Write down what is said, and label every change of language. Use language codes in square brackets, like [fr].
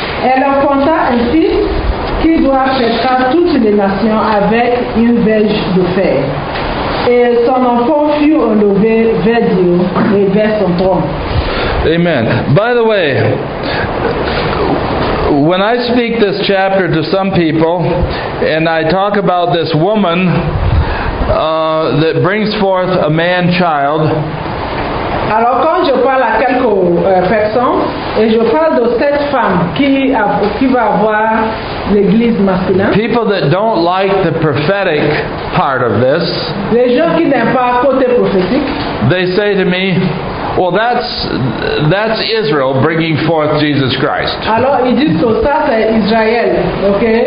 [fr] Elle enfanta un fils qui doit fêter toutes les nations avec une verge de fer. Et son enfant fut enlevé vers Dieu et vers son trône. Amen. [en] By the way, when I speak this chapter to some people and I talk about this woman that brings forth a man child, [fr] alors quand je parle à quelques personnes et je parle de cette femme qui va avoir l'église masculine. [en] People that don't like the prophetic part of this. [fr] Les gens qui n'aiment pas le côté prophétique. [en] They say to me, well, that's Israel bringing forth Jesus Christ. [fr] Alors ils disent que ça c'est Israël, ok?